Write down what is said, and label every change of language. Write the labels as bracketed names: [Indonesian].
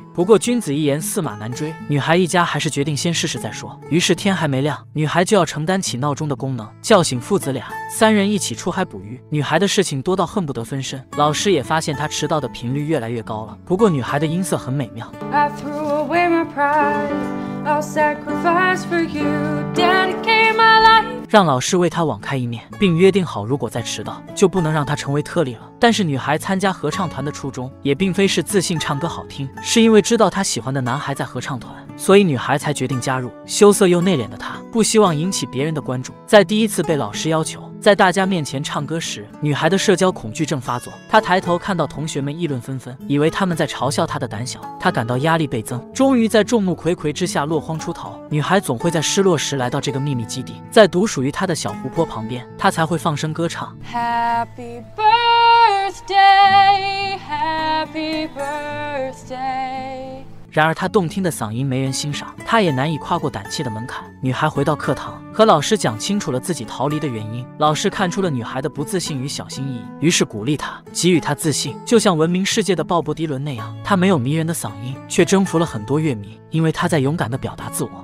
[Chinese] 不过君子一言驷马难追，女孩一家还是决定先试试再说。于是天还没亮，女孩就要承担起闹钟的功能，叫醒父子俩，三人一起出海捕鱼。女孩的事情多到恨不得分身，老师也发现她迟到的频率越来越高了。不过女孩的音色很美妙。 [English] I threw away my pride, I'll sacrifice for you, dedicate my life. [Chinese] 让老师为他网开一面，并约定好如果再迟到就不能让他成为特例了。但是女孩参加合唱团的初衷也并非是自信唱歌好听，是因为知道她喜欢的男孩在合唱团，所以女孩才决定加入。羞涩又内敛的她不希望引起别人的关注，在第一次被老师要求在大家面前唱歌时，女孩的社交恐惧症发作。她抬头看到同学们议论纷纷，以为他们在嘲笑她的胆小，她感到压力倍增，终于在众目睽睽之下落荒出逃。女孩总会在失落时来到这个秘密基地，在独属于她的小湖泊旁边，她才会放声歌唱。 [English] Happy birthday, happy birthday. [Chinese] 然而他动听的嗓音没人欣赏，他也难以跨过胆怯的门槛。女孩回到课堂，和老师讲清楚了自己逃离的原因，老师看出了女孩的不自信与小心翼翼，于是鼓励她，给予她自信，就像闻名世界的鲍勃迪伦那样。他没有迷人的嗓音，却征服了很多乐迷，因为他在勇敢地表达自我。